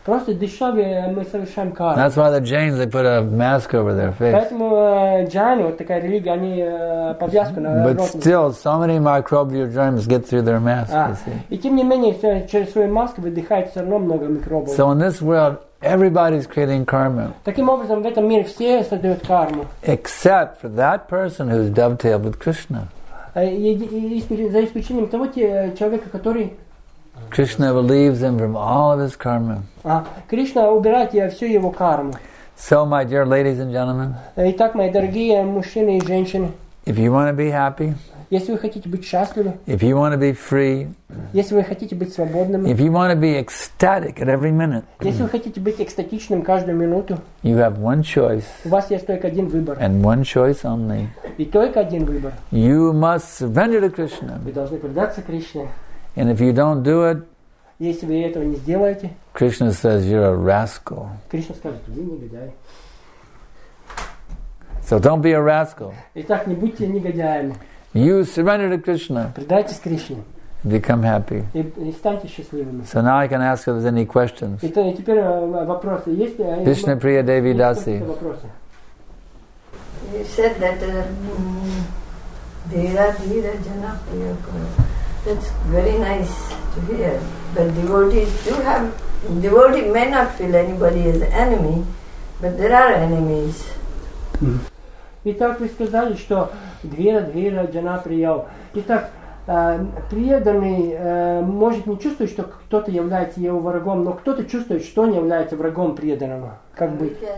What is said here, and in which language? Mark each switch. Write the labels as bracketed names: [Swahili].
[English] That's why the Jains, they put a mask over their face. But still, so many microbial germs get through their mask, you see. So in this world, everybody's creating karma. [Russian] Таким образом, в этом мире все создают карму. [English] Except for that person who's dovetailed with Krishna. [Russian] За исключением того человека, который... [English] Krishna relieves him from all of his karma. [Russian] Кришна убирает всю его карму. [English] So, my dear ladies and gentlemen, [Russian] итак, мои дорогие мужчины и женщины, [English] if you want to be happy, [Russian] если вы хотите быть счастливы, [English] if you want to be free, [Russian] если вы хотите быть свободными, [English] if you want to be ecstatic at every minute, [Russian] если вы хотите быть экстатичным каждую минуту, [English] you have one choice, [Russian] у вас есть только один выбор, [English] and one choice only, [Russian] и только один выбор, [English] you must surrender to Krishna, [Russian] вы должны предаться Кришне, [English] and if you don't do it, [Russian] если вы этого не сделаете, [English] Krishna says you're a rascal. [Russian] Кришна скажет, вы негодяй. [English] So don't be a rascal. [Russian] Итак, не будьте негодяями. [English] You surrender to Krishna. [Russian] Предайтесь Кришне. [English] Become happy. [Russian] И станьте счастливыми. [English] So now I can ask if there's any questions. [Russian] Итак, теперь вопросы есть? Кришна Прия Деви Даси. [English] You said that there are Dhira Jana Priya Kuru. That's very nice to hear. But devotees do have... Devotee may not feel anybody as enemy, but there are enemies. [Russian] Итак, вы сказали, что Дхира Джана Прияо. Итак, преданный может не чувствовать, что кто-то является его врагом, но кто-то чувствует, что он является врагом преданного. Как бы.